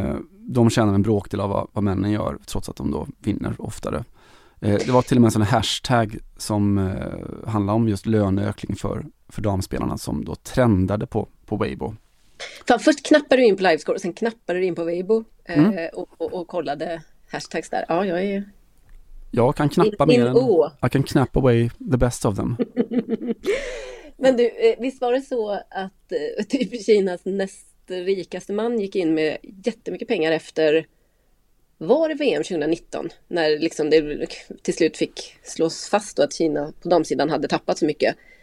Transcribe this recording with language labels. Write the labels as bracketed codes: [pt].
[sv] De tjänar en bråkdel av vad männen gör, trots att de då vinner oftare. Det var till och med en sån hashtag som handlade om just löneökning för damspelarna som då trendade på Weibo. Fan, först knappade du in på Livescore och sen knappade du in på Weibo och kollade hashtags där. Ja, jag är ju... Jag kan knappa mer än... [en] I can knap away the best of them. [sv] Men du, visst var det så att typ Kinas näst rikaste man gick in med jättemycket pengar efter... Var det VM 2019 när liksom det till slut fick slås fast och att Kina på damsidan hade tappat så mycket?